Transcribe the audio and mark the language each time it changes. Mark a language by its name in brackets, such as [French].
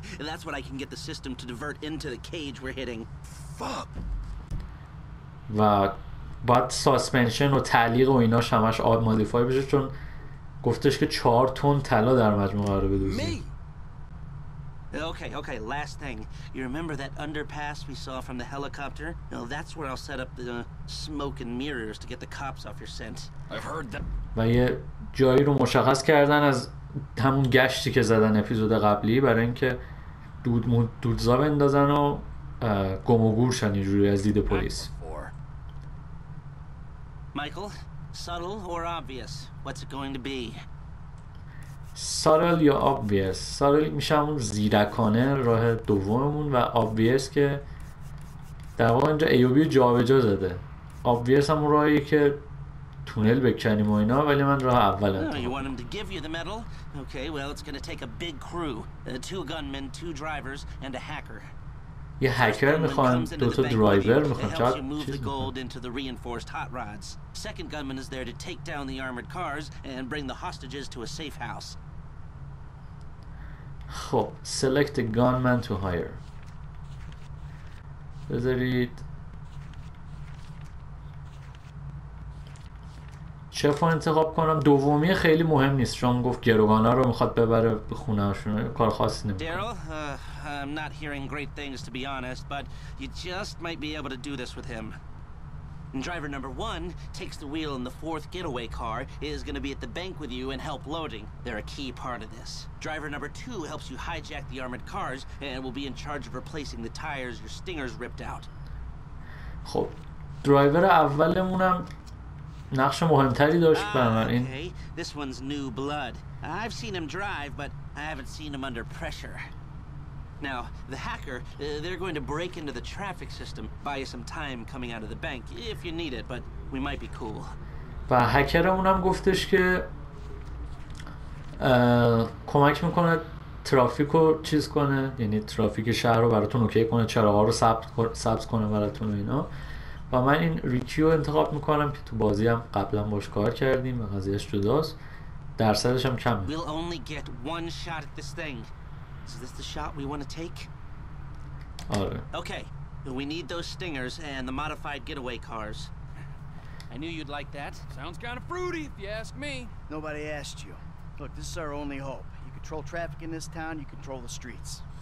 [English] That's what I can get the system to divert into the cage we're hitting. Fuck. [Persian] و بعد ساسپنشن و تعلیق و ایناش همش آب مودیفای بشه، چون گفتش که 4 تن طلا در مجموع قراره بدوزیم. [English] Okay, last thing. You remember that underpass we saw from the helicopter? Now that's where I'll set up the smoke and mirrors to get the cops off your scent. I've heard that. [Persian] و یه جایی رو مشخص کردن از همون گشتی که زدن اپیزود قبلی، برای اینکه دودزا بندازن و گم و گور شن اینجوری از دید پلیس. [English] Michael, subtle or obvious, what's it going to be? Subtle [Persian] یا [English] obvious. [Persian] Subtle میشه همون زیرکانه راه دوممون، و obvious که در واقع اینجا A و B جا به جا زده. Obvious همون راهیه که تونل بکنیم و اینا، ولی من راه اول انتخاب. [English] You want him to give you the medal? Okay, well it's going to take a big crew. Two gunmen, two drivers, and a hacker. [Persian] یه هکر میخوان، دو تا درایور میخوان، چقدر چیز. [English] Second gunman is there to take down the armored cars and bring the hostages to a safe house. [Persian] خب، [English] select a gunman to hire. [Persian] بذارید چف رو انتخاب کنم. دومی خیلی مهم نیست، چون گفت گروگانا رو میخواد ببره به خونه هاشون، کار خاصی نمیخواد. [English] Daryl, I'm not hearing great things to be honest, but you just might be able to do this with him. Driver number one takes the wheel in the fourth getaway car, is going to be at the bank with you and help loading. They're a key part of this. Driver number two helps you hijack the armored cars and will be in charge of replacing the tires your stingers ripped out. [Persian] خب، درایور اولمون هم نقش مهمتری داشت بنابراین. [English] Okay. This one's new blood. I've seen him drive, but I haven't seen him under pressure. Now, the hacker, they're going to break into the traffic system, buy you some time coming out of the bank, if you need it, but we might be cool. [Persian] و هکرمون هم گفتش که کمک میکنه ترافیک رو چیز کنه، یعنی ترافیک شهر رو براتون اوکی کنه، چراغ ها رو سبز کنه براتون و اینا. و من این ریکیو انتخاب میکنم که تو بازی هم قبلا باش کار کردیم و قضیهش جداست، درصدش هم کمه. [English] We'll only get one shot at this thing. Is this the shot we want to take? [Persian] آره. [English] Okay. We need those stingers and the modified getaway cars. I knew you'd like that. Sounds kind of fruity if you ask me. Nobody asked you. Look, this is our only hope. You control traffic in this town, you control the streets.